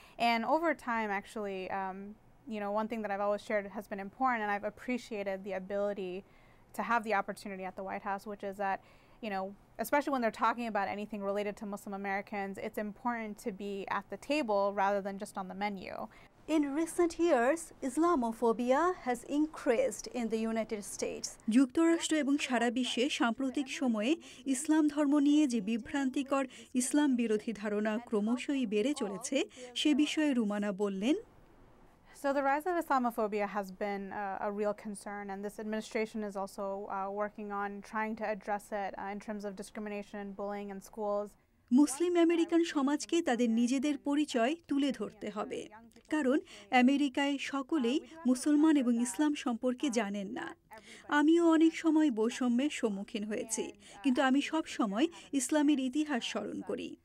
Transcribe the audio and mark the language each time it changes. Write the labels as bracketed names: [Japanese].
[English] And over time, actually, one thing that I've always shared has been important, and I've appreciated the ability to have the opportunity at the White House, which is that, you know, especially when they're talking about anything related to Muslim Americans, it's important to be at the table rather than just on the menu. In recent years, Islamophobia has increased in the United States. [Bangla] যুক্তরাষ্ট্র এবং সারা বিশ্বে সাম্প্রতিক সময়ে ইসলাম ধর্ম নিয়ে যে বিভ্রান্তিকর ইসলাম বিরোধী ধারণা ক্রমশই বেড়ে চলেছে, সে বিষয়ে রুমানা বললেন, [English] So the rise of Islamophobia has been a real concern, and this administration is also working on trying to address it in terms of discrimination and bullying in schools. [Bangla] Muslim American সমাজকে তাদের নিজেদের পরিচয় তুলে ধরতে হবে, কারণ আমেরিকায় সকলেই মুসলমান এবং ইসলাম সম্পর্কে জানেন না। আমিও অনেক সময় বৈষম্যের সম্মুখীন হয়েছি, কিন্তু আমি সব সময় ইসলামের ইতিহাস স্মরণ করি।